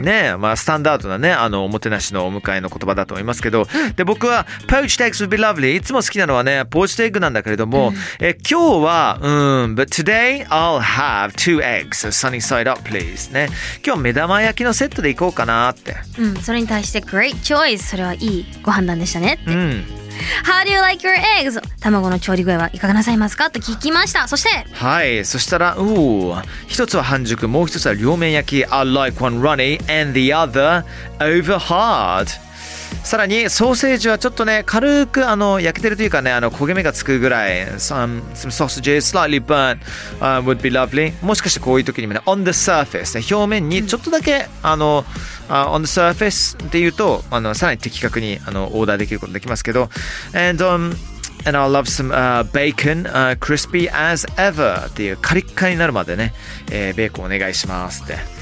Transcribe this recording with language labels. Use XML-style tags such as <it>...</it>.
<ja>ねえ、まあスタンダードなねあのおもてなしのお迎えの言葉だと思いますけど、で僕は</ja> <en>poached eggs would be lovely。</en> <ja>いつも好きなのはねポーチドエッグなんだけれども、今日は</ja> <en>But today I'll have two eggs sunny side up please</en> <ja>ね。今日は目玉焼きのセットで行こうかなって。うん、それに対して</ja> <en>Great choice。</en> <ja>それはいいご判断でしたねって。</ja> <en>How do you like your eggs?</en> <ja>卵の調理具合はいかがなさいますかと聞きました。そしてはい、そしたら一つは半熟、もう一つは両面焼き。</ja> <en>I like one runny and the other over hard。</en> <ja>さらにソーセージはちょっとね軽くあの焼けてるというかねあの焦げ目がつくぐらい。</ja> <en>Some sausages slightly burnt would be lovely。</en> <ja>もしかしてこういう時にもね</ja> <en>On the surface</en> <ja>で表面にちょっとだけ、あの</ja> <en>on the surface</en> <ja>で言うとあのさらに的確にあのオーダーできることができますけど、</ja> <en>and I'll love some bacon crispy as ever</en> <ja>っていうカリッカリになるまでね、ベーコンお願いしますって。</ja>